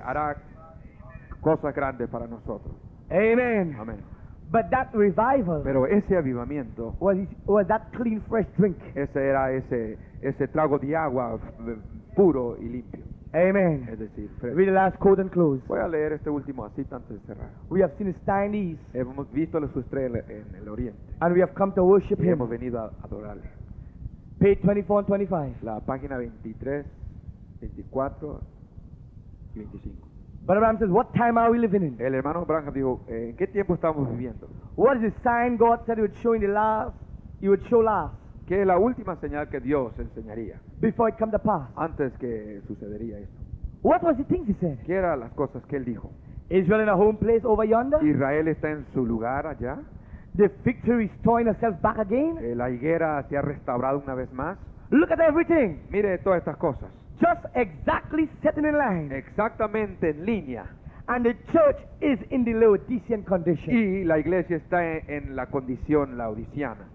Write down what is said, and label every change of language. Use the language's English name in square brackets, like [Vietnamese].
[Spanish] Que hará cosas grandes para nosotros. [English] Amen. [Spanish] Amen. [English] But that revival. [Spanish] Pero ese avivamiento. [English] Was that clean, fresh drink. [Spanish] Ese era ese trago de agua puro y limpio. [English] Amen. [Spanish] Es decir, fresco. [English] Read the last quote and close. [Spanish] Voy a leer este último así antes de cerrar. [English] We have seen his star in the east. [Spanish] Hemos visto la estrella en el oriente. [English] And we have come to worship [Spanish] y [English] him. [Spanish] Hemos venido a adorarle. [English] Page 24 and 25. [Spanish] La página 23, 24 y 25. [English] But Abraham says, what time are we living in? [Spanish] El hermano Abraham dijo, ¿en qué tiempo estamos viviendo? [English] What is the sign God said he would show in the last? He would show last. [Spanish] ¿Qué es la última señal que Dios enseñaría? [English] Before it come to pass. [Spanish] Antes que sucedería esto. [English] What was the things he said? [Spanish] ¿Qué eran las cosas que él dijo? [English] Israel in a home place over yonder. [Spanish] Israel está en su lugar allá. [English] The fig tree is throwing herself back again. [Spanish] La higuera se ha restaurado una vez más. [English] Look at everything. [Spanish] Mire todas estas cosas. [English] Just exactly setting in line. [Spanish] Exactamente en línea. [English] And the church is in the Laodicean condition. [Spanish] Y la iglesia está en la condición laodiciana.